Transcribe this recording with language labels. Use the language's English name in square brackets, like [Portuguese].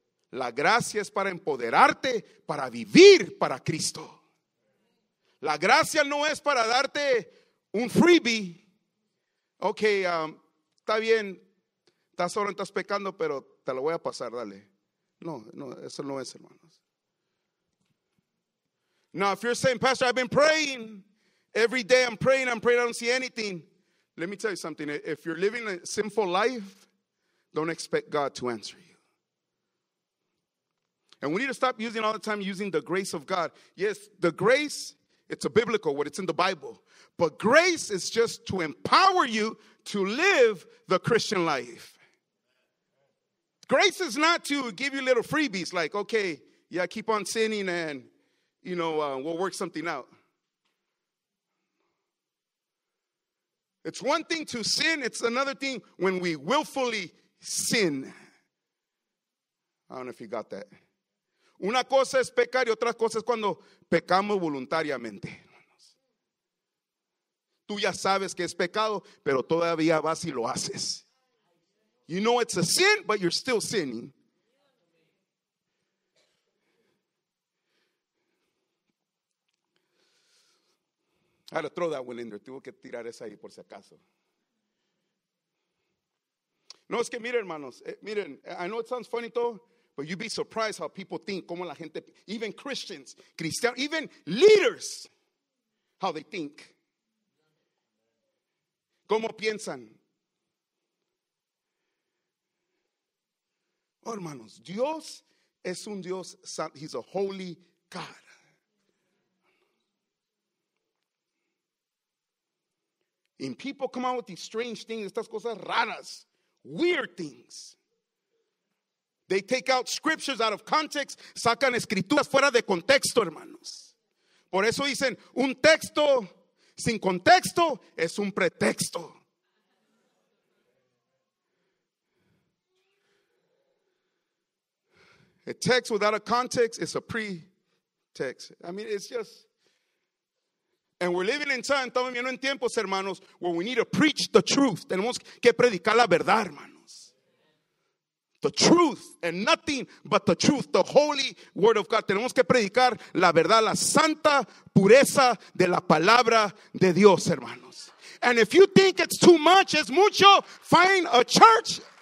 [Spanish] La gracia es para empoderarte, para vivir para Cristo. La gracia no es para darte un freebie. Ok, está bien, estás orando, estás pecando, pero te lo voy a pasar, dale. No, eso no es, hermanos. [English] Now, if you're saying, pastor, I've been praying. Every day I'm praying, I don't see anything. Let me tell you something. If you're living a sinful life, don't expect God to answer you. And we need to stop using all the time using the grace of God. Yes, the grace, it's a biblical word, it's in the Bible. But grace is just to empower you to live the Christian life. Grace is not to give you little freebies like, okay, yeah, keep on sinning and, you know, we'll work something out. It's one thing to sin, it's another thing when we willfully sin. I don't know if you got that. [Spanish] Una cosa es pecar y otra cosa es cuando pecamos voluntariamente. Tú ya sabes que es pecado, pero todavía vas y lo haces. [English] You know it's a sin, but you're still sinning. Ahora, throw that one in there. [Spanish] Tuvo que tirar esa ahí por si acaso. No, es que miren, hermanos. [English] Miren, I know it sounds funny todo. But you'd be surprised how people think, [Spanish] como la gente, [English] even Christians, cristianos, even leaders, how they think. [Spanish] ¿Cómo piensan? Oh, hermanos, Dios es un Dios, [English] he's a holy God. And people come out with these strange things, [Spanish] estas cosas raras, [English] weird things. They take out scriptures out of context. [Spanish] Sacan escrituras fuera de contexto, hermanos. Por eso dicen, un texto sin contexto es un pretexto. [English] A text without a context is a pretext. I mean, it's just. And we're living in time. [Spanish] Estamos viviendo en tiempos, hermanos, [English] where we need to preach the truth. [Spanish] Tenemos que predicar la verdad, hermano. [English] The truth and nothing but the truth, the holy word of God. [Spanish] Tenemos que predicar la verdad, la santa pureza de la palabra de Dios, hermanos. [English] And if you think it's too much, [Spanish] es mucho, [English] find a church.